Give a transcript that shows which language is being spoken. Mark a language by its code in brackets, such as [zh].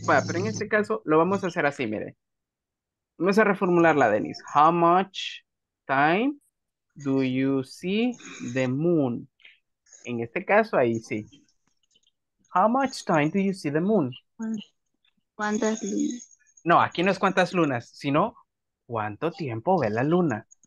[es] Va, pero en este caso lo vamos a hacer así, mire. Vamos a reformularla, Denis. [en] How much time do you see the moon? [es] En este caso, ahí sí. [en] How much time do you see the moon? [es] ¿Cuántas lunas? No, aquí no es cuántas lunas, sino cuánto tiempo ve la luna.